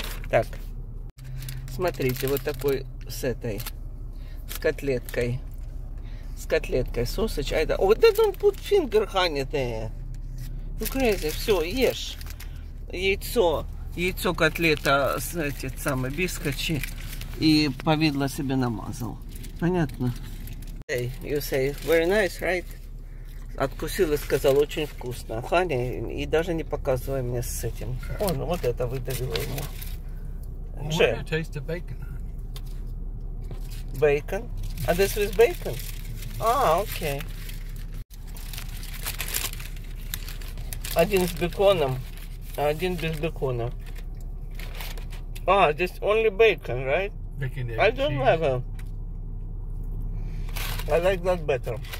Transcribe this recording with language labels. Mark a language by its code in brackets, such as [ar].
[ru] Так, смотрите, вот такой с этой с котлеткой, сосыч. Ай да, вот это он [en] put finger, [ru] Ханя, ты. Ну crazy, все, ешь яйцо. Яйцо, котлета, эти самые бискочи и повидло себе намазал. Понятно? [en] Hey, you say, very nice, right? [ru] Откусил и сказал, очень вкусно. Ханя, и даже не показывай мне с этим. Он вот это выдавило ему. [en] Джек. What a taste of bacon, honey. Bacon? And this with bacon? Ah, okay. [ru] Один с беконом, а один без бекона. [en] Ah, just only bacon, right? Bacon, egg, I don't cheese. Have a... I like that better.